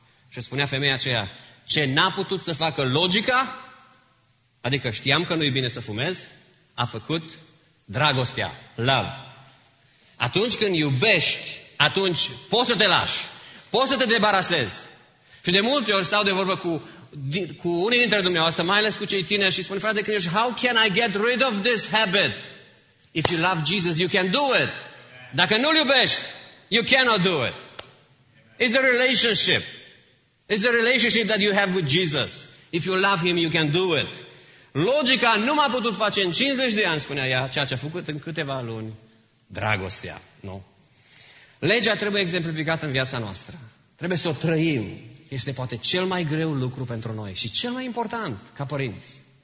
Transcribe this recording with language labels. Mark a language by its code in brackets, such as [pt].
[ro] Și spunea femeia aceea, ce n-a putut să facă logica, adică știam că nu-i bine să fumez, a făcut dragostea, love. Atunci când iubești, atunci poți să te lași, poți să te debarasezi. Și de multe ori stau de vorbă cu unii dintre dumneavoastră, mai ales cu cei tineri, și spun, frate, când ești, [en] how can I get rid of this habit? If you love Jesus, you can do it. [ro] Dacă nu-L iubești, [en] you cannot do it. It's the relationship. It's the relationship that you have with Jesus. If you love Him, you can do it. [ro] Logica nu m-a putut face în 50 de ani, spunea ea, ceea ce a făcut în câteva luni, dragostea, nu? Legea trebuie exemplificată în viața noastră. Trebuie să o trăim. Este poate cel mai greu lucru pentru noi și cel mai important ca părinți.